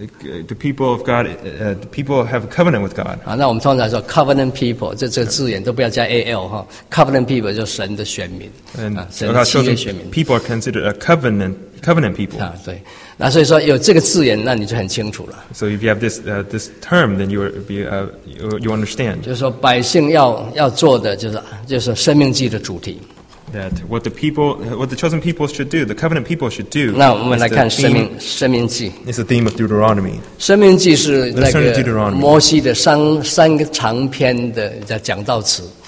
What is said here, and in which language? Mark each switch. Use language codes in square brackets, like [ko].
[en] The people have a covenant with God. [zh] 那我们通常说 covenant people， 这个字眼都不要加 al 哈 ，covenant people 就是神的选民， 神的契约选民。 [en] People are considered a covenant people. [zh] 啊，对。那所以说有这个字眼，那你就很清楚了。 [en] So if you have this term, then you understand. [zh] 就是说百姓要做的就是生命记的主题。 [en] That what the people, what the chosen people should do, the covenant people should do. [zh] 那我们来看生命记。 [en] It's the theme of Deuteronomy. [zh] 生命记是那个摩西的三长篇的讲道词。